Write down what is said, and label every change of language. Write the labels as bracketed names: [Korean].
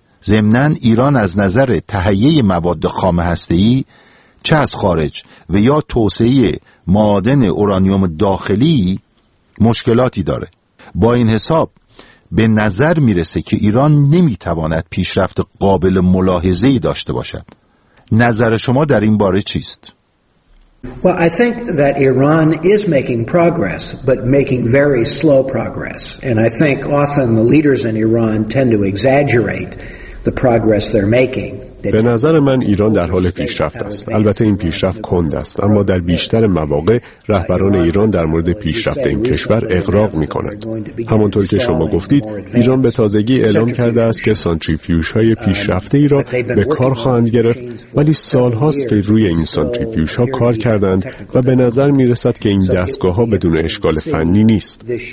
[Persian] ضمناً ایران از نظر تهیه مواد خام هسته‌ای چه از خارج و یا توسعه معادن اورانیوم داخلی مشکلاتی داره. با این حساب به نظر میرسه که ایران نمیتواند پیشرفت قابل ملاحظه‌ای داشته باشد. نظر شما در این باره چیست؟ [English] Well, I think that Iran is making progress, but making very slow progress. And I think often the leaders in Iran tend to exaggerate the progress they're making. [Persian] به نظر من ایران در حال پیشرفت است. البته این پیشرفت کند است، اما در بیشتر مواقع رهبران ایران در مورد پیشرفت این کشور اغراق می کند. همانطور که شما گفتید، ایران به تازگی اعلام کرده است که سانتریفیوژهای پیشرفته ای را به کار خواهند گرفت، ولی سال هاست که روی این سانتریفیوژها کار کردند و به نظر می رسد که این دستگاه ها بدون اشکال فنی نیست.